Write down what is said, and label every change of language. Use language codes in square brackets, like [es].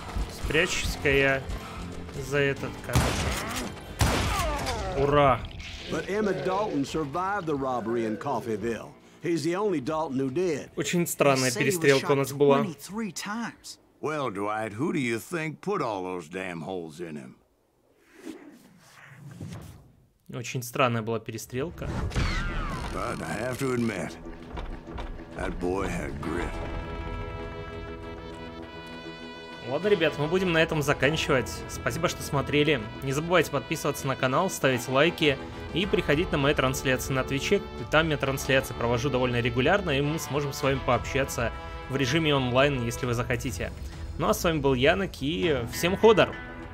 [ru] Спрячься-ка я за этот кадр. Ура! [en] But Emma Dalton survived the robbery in Coffeyville. He's the only Dalton who did. [ru] Очень странная перестрелка у нас была. [en] Well, Dwight, who do you think put all those damn holes in him? [ru] Очень странная была перестрелка. [en] But I have to admit, that boy had grit. [ru] Ладно, ребят, мы будем на этом заканчивать. Спасибо, что смотрели. Не забывайте подписываться на канал, ставить лайки и приходить на мои трансляции на Твиче. Там я трансляции провожу довольно регулярно, и мы сможем с вами пообщаться в режиме онлайн, если вы захотите. Ну а с вами был Янок, и всем ходор!